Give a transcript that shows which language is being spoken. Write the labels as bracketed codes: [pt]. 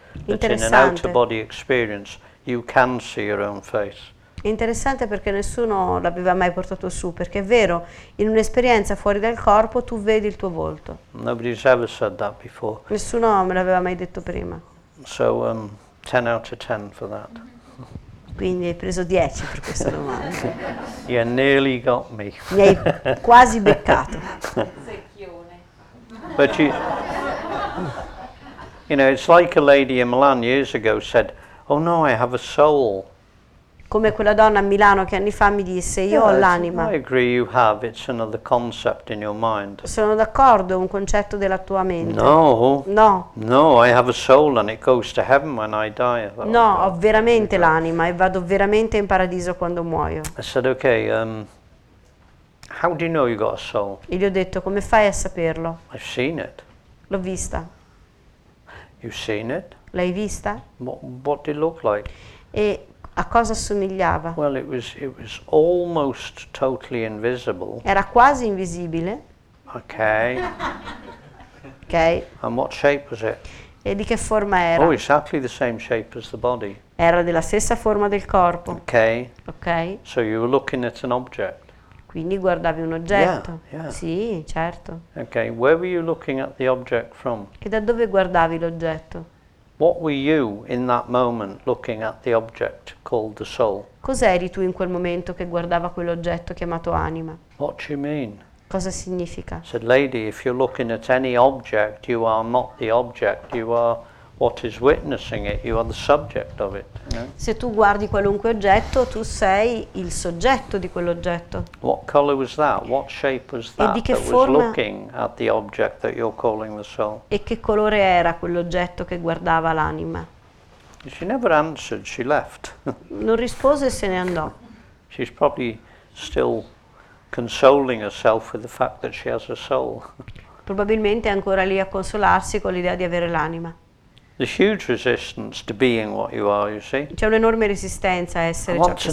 [it] Interessante. [en] That in an outer body experience you can see your own face. [it] Interessante perché nessuno l'aveva mai portato su, perché è vero, in un'esperienza fuori dal corpo tu vedi il tuo volto. [en] Nobody's ever said that before. [it] Nessuno me l'aveva mai detto prima. [en] So 10 out of 10 for that. [it] Quindi hai preso 10 per questa domanda. [en] You nearly got me. [it] Mi hai quasi beccato. Secchione. [en] You know, it's like a lady in Milan years ago said, "Oh no, I have a soul." [it] Come quella donna a Milano che anni fa mi disse, io ho l'anima. [en] I agree, you have. It's another concept in your mind. [it] Sono d'accordo, un concetto della tua mente. [en] No. [it] No. [en] No, I have a soul and it goes to heaven when I die. [it] No, ho veramente l'anima e vado veramente in paradiso quando muoio. [en] I said, okay. How do you know you got a soul? [it] E gli ho detto, come fai a saperlo? [en] I've seen it. [it] L'ho vista. [en] You've seen it? [it] L'hai vista? [en] What did it look like? [it] E a cosa assomigliava? [en] Well, it was almost totally invisible. [it] Era quasi invisibile. [en] Okay. [it] Okay. [en] And what shape was it? [it] E di che forma era? [en] Oh, exactly the same shape as the body. [it] Era della stessa forma del corpo. [en] Okay. [it] Okay. [en] So you were looking at an object. [it] Quindi guardavi un oggetto. [en] Yeah, yeah. [it] Sì, certo. [en] Okay, where were you looking at the object from? [it] E da dove guardavi l'oggetto? [en] What were you in that moment looking at the object called the soul? [it] Cos'eri tu in quel momento che guardava quell'oggetto chiamato anima? [en] What do you mean? [it] Cosa significa? [en] I said, lady, if you're looking at any object, you are not the object, you are what is witnessing it, you are the subject of it. You know? [it] Se tu guardi qualunque oggetto, tu sei il soggetto di quell'oggetto. [en] What color was that? What shape was that? [it] E di che [en] that [it] forma [en] was looking at the object that you're calling the soul. [it] E che colore era quell'oggetto che guardava l'anima? [en] She never answered, she left. [it] Non rispose e se ne andò. [en] She's probably still consoling herself with the fact that she has a soul. [it] Probabilmente è ancora lì a consolarsi con l'idea di avere l'anima. [en] The huge resistance to being what you are, you see. [it] C'è un'enorme resistenza a essere ciò che sei.